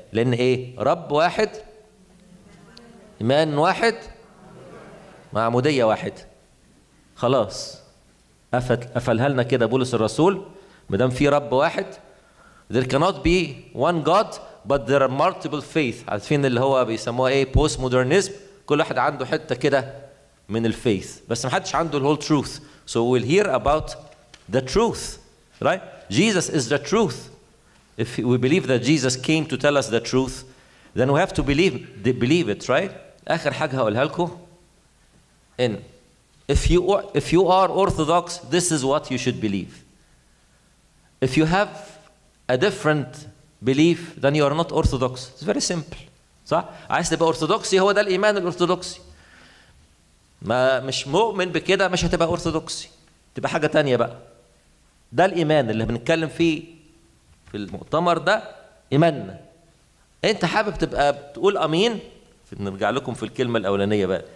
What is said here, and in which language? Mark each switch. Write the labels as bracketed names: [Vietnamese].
[Arabic] لأن ايه؟ رب واحد، إيمان واحد، معمودية واحد. خلاص. أفلهلنا كده بولس الرسول مدام في رب واحد. [English] There cannot be one God but there are multiple faith. [Arabic] عارفين اللي هو بيسموها ايه post modernism. كل واحد عنده حتة كده من الفيث بس محدش عنده [English] the whole truth. So we'll hear about the truth, right? Jesus is the truth. If we believe that Jesus came to tell us the truth, then we have to believe it, right? [Arabic] آخر حاجة هقولها لكم إن [English] If you are Orthodox, this is what you should believe. If you have a different belief, then you are not Orthodox. It's very simple. [Arabic] صح؟ عايز تبقى أرثوذكسي هو ده الإيمان الأرثوذكسي. ما مش مؤمن بكده مش هتبقى أرثوذكسي. تبقى حاجة تانية بقى. ده الإيمان اللي بنتكلم فيه في المؤتمر ده إيماننا. أنت حابب تبقى تقول أمين؟ نرجع لكم في الكلمة الأولانية بقى.